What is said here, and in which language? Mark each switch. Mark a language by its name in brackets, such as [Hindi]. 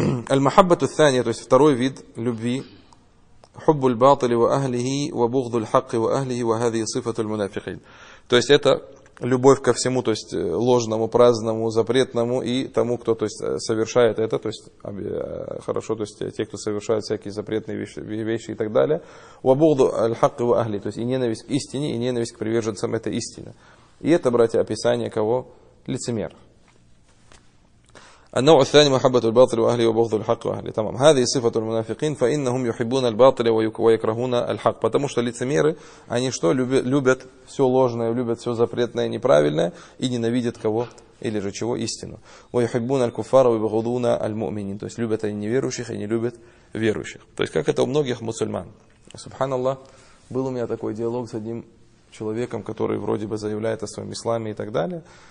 [Arabic] المحبة الثانية، [Russian] то есть второй вид любви، [Arabic] حب الباطل وأهله وبغض الحق وأهله، وهذه صفة المنافقين. [Russian] То есть это любовь ко всему, то есть ложному, праздному, запретному и тому, кто, то есть, совершает это, то есть хорошо, то есть те, кто совершают всякие запретные вещи и так далее. [Arabic] وبغض الحق وأهله, [Russian] то есть и ненависть к истине, и ненависть к приверженцам этой истины. И это, братья, описание кого? Лицемер. [Arabic] النوع الثاني محبة الباطل وأهله وبغض الحق وأهله. تمام. هذه صفة المنافقين، فإنهم يحبون الباطل ويكرهون الحق. [Russian] Потому что лицемеры, они что, любят все ложное, любят все запретное, неправильное и ненавидят кого или же чего? Истину. [Arabic] ويحبون الكفار ويبغضون المؤمنين. [Russian] То есть любят они неверующих и не любят верующих. То есть как это у многих мусульман. Субхан Аллах, был у меня такой диалог с одним человеком, который вроде бы заявляет о своем исламе и так далее.